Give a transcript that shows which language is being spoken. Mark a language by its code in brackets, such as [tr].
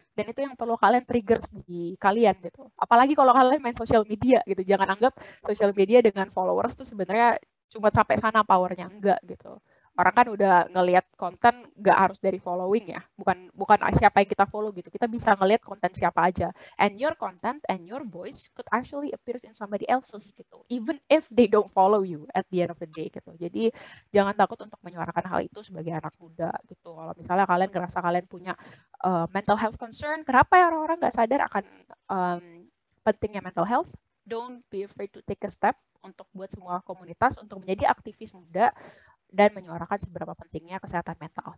[id] Dan itu yang perlu kalian triggers di kalian gitu. Apalagi kalau kalian main social media gitu. Jangan anggap social media dengan followers tuh sebenarnya cuma sampai sana powernya. Enggak gitu. Orang kan udah ngelihat konten gak harus dari following ya. Bukan siapa yang kita follow gitu. Kita bisa ngelihat konten siapa aja. [en] And your content and your voice could actually appears in somebody else's gitu. Even if they don't follow you at the end of the day gitu. [id] Jadi jangan takut untuk menyuarakan hal itu sebagai anak muda gitu. Kalau misalnya kalian ngerasa kalian punya mental health concern, kenapa ya orang-orang gak sadar akan pentingnya mental health? [en] Don't be afraid to take a step [id] untuk buat semua komunitas untuk menjadi aktivis muda dan menyuarakan seberapa pentingnya kesehatan mental.